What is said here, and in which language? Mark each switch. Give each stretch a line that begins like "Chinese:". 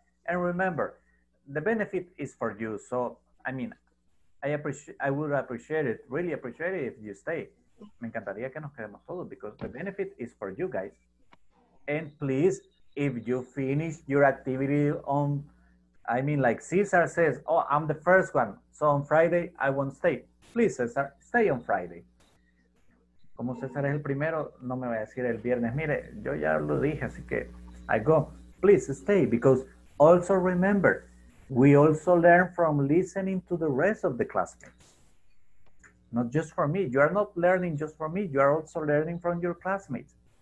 English: And remember, the benefit is for you. So, I mean, I would really appreciate it if you stay.
Spanish: Me encantaría que nos quedemos todos
English: because the benefit is for you guys. And please, if you finish your activity on, I mean, like Cesar says, oh, I'm the first one. So on Friday, I won't stay. Please, Cesar, stay on Friday.
Spanish: Como Cesar es el primero, no me voy a decir el viernes. Mire, yo ya lo dije, así que
English: I go. Please stay, because also remember, we also learn from listening to the rest of the classmates. Not just for me. You are not learning just for me. You are also learning from your classmates.